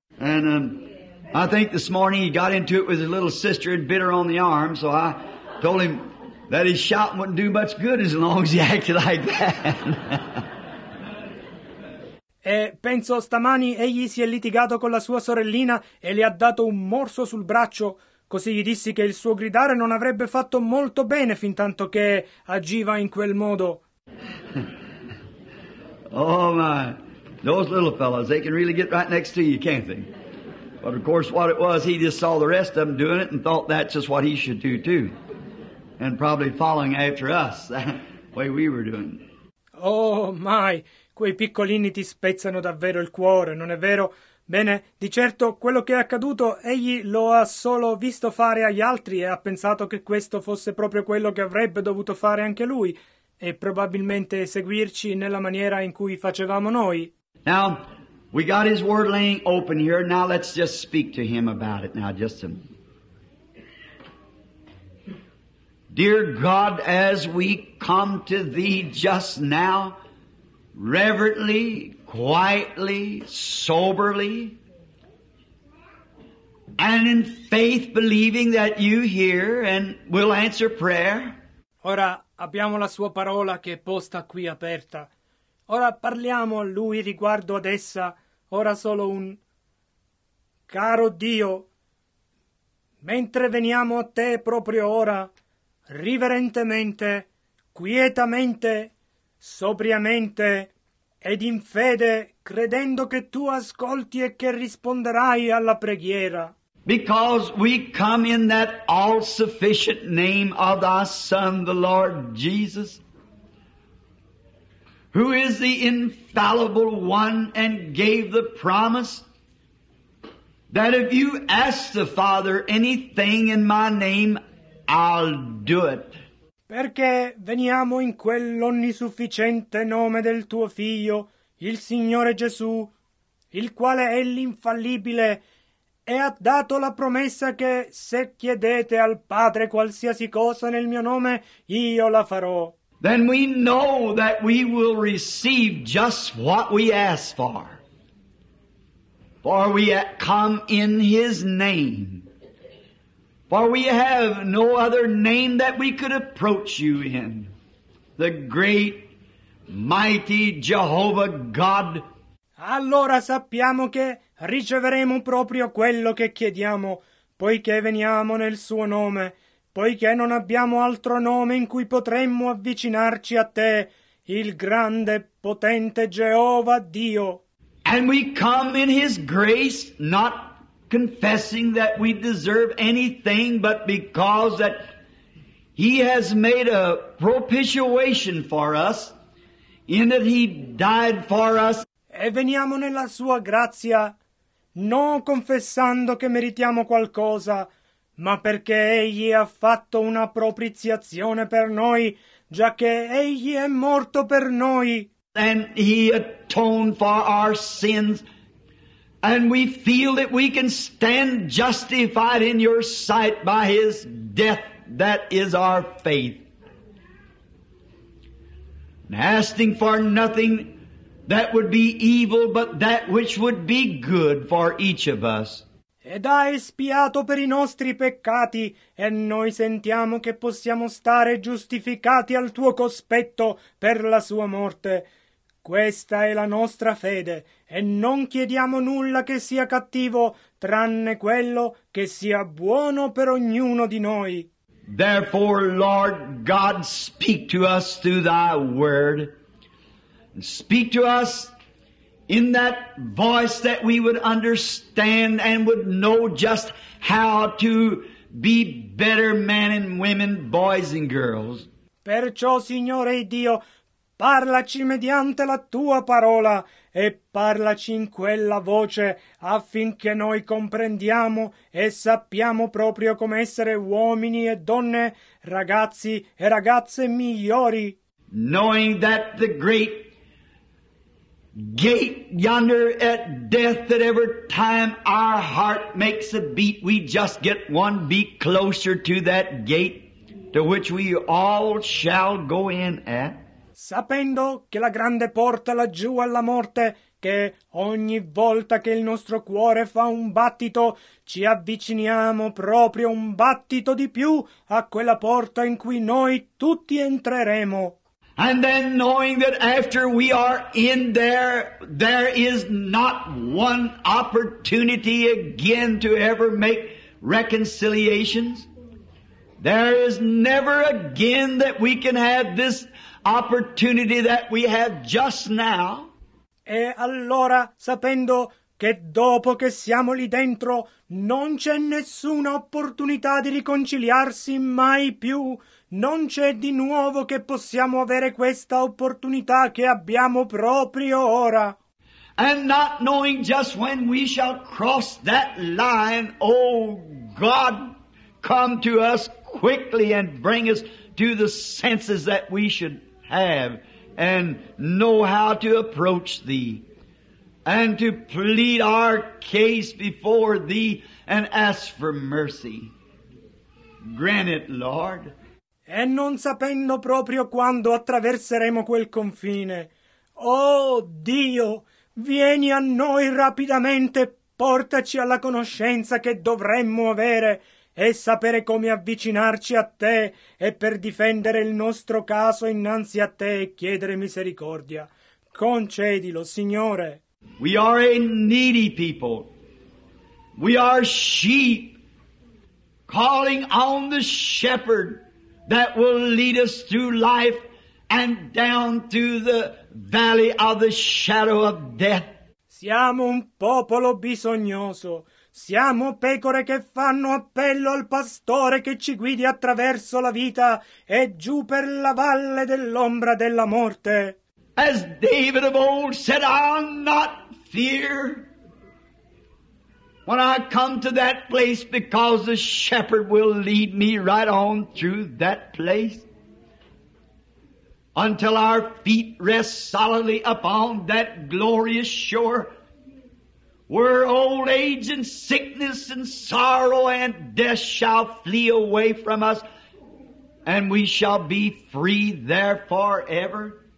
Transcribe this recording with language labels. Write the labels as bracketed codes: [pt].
[en] And I think this morning he got into it with his little sister and bit her on the arm, so I told him that his shouting wouldn't do much good as long as he acted like that. [it] E penso stamani egli si è litigato con la sua sorellina e le ha dato un morso sul braccio. Così gli dissi che il suo gridare non avrebbe fatto molto bene fin tanto che agiva in quel modo. [en] Oh my, those little fellows, they can really get right next to you, can't they? But of course what it was, he just saw the rest of them doing it and thought that's just what he should do too. And probably following after us, the way we were doing. Oh my, [it] quei piccolini ti spezzano davvero il cuore, non è vero? Bene, di certo, quello che è accaduto, egli lo ha solo visto fare agli altri e ha pensato che questo fosse proprio quello che avrebbe dovuto fare anche lui, e probabilmente seguirci nella maniera in cui facevamo noi. [en] Now, we got his word laying open here, now let's just speak to him about it now, just a... Dear God, as we come to thee just now, reverently, quietly, soberly, and in faith believing that you hear and will answer prayer. [it] Ora abbiamo la sua parola che è posta qui aperta. Ora parliamo a lui riguardo ad essa. Ora solo un... Caro Dio, mentre veniamo a te proprio ora, riverentemente, quietamente, sobriamente ed in fede, credendo che tu ascolti e che risponderai alla preghiera. [en] Because we come in that all-sufficient name of thy Son, the Lord Jesus, who is the infallible one and gave the promise that if you ask the Father anything in my name, I'll do it. [it] Perché veniamo in quell'onnisufficiente nome del tuo Figlio, il Signore Gesù, il quale è l'infallibile e ha dato la promessa che se chiedete al Padre qualsiasi cosa nel mio nome, io la farò. [en] Then we know that we will receive just what we ask for. For we come in His name. For we have no other name that we could approach you in. The great, mighty Jehovah God. [it] Allora sappiamo che riceveremo proprio quello che chiediamo, poiché veniamo nel Suo nome, poiché non abbiamo altro nome in cui potremmo avvicinarci a Te, il grande, potente Jehovah Dio. [en] And we come in His grace, not confessing that we deserve anything, but because that He has made a propitiation for us, in that He died for us. [it] E veniamo nella Sua grazia, non confessando che meritiamo qualcosa, ma perché Egli ha fatto una propiziazione per noi, già che Egli è morto per noi. [en] And He atoned for our sins. And we feel that we can stand justified in Your sight by His death. That is our faith. And asking for nothing that would be evil, but that which would be good for each of us. [it] Ed ha espiato per i nostri peccati, e noi sentiamo che possiamo stare giustificati al Tuo cospetto per la Sua morte. Questa è la nostra fede, e non chiediamo nulla che sia cattivo, tranne quello che sia buono per ognuno di noi. [en] Therefore, Lord God, speak to us through Thy Word. Speak to us in that voice that we would understand and would know just how to be better men and women, boys and girls. [it] Perciò, Signore Dio, parlaci mediante la Tua parola e parlaci in quella voce affinché noi comprendiamo e sappiamo proprio come essere uomini e donne, ragazzi e ragazze migliori. [en] Knowing that the great gate yonder at death, that every time our heart makes a beat, we just get one beat closer to that gate to which we all shall go in at. [it] Sapendo che la grande porta laggiù alla morte, che ogni volta che il nostro cuore fa un battito, ci avviciniamo proprio un battito di più a quella porta in cui noi tutti entreremo. [en] And then knowing that after we are in there, there is not one opportunity again to ever make reconciliations. There is never again that we can have this opportunity that we have just now. [it] E allora, sapendo che dopo che siamo lì dentro, non c'è nessuna opportunità di riconciliarsi mai più. Non c'è di nuovo che possiamo avere questa opportunità che abbiamo proprio ora. [en] And not knowing just when we shall cross that line, oh God, come to us quickly and bring us to the senses that we should have and know how to approach Thee and to plead our case before Thee and ask for mercy. Grant it, Lord. [it] E non sapendo proprio quando attraverseremo quel confine. Oh Dio, vieni a noi rapidamente, portaci alla conoscenza che dovremmo avere e sapere come avvicinarci a Te e per difendere il nostro caso innanzi a Te e chiedere misericordia. Concedilo, Signore. [en] We are a needy people. We are sheep calling on the shepherd that will lead us through life and down to the valley of the shadow of death. [it] Siamo un popolo bisognoso. Siamo pecore che fanno appello al pastore che ci guidi attraverso la vita e giù per la valle dell'ombra della morte. [en] As David of old said, I'll not fear when I come to that place, because the shepherd will lead me right on through that place until our feet rest solidly upon that glorious shore, where old age and sickness and sorrow and death shall flee away from us, and we shall be free there forever.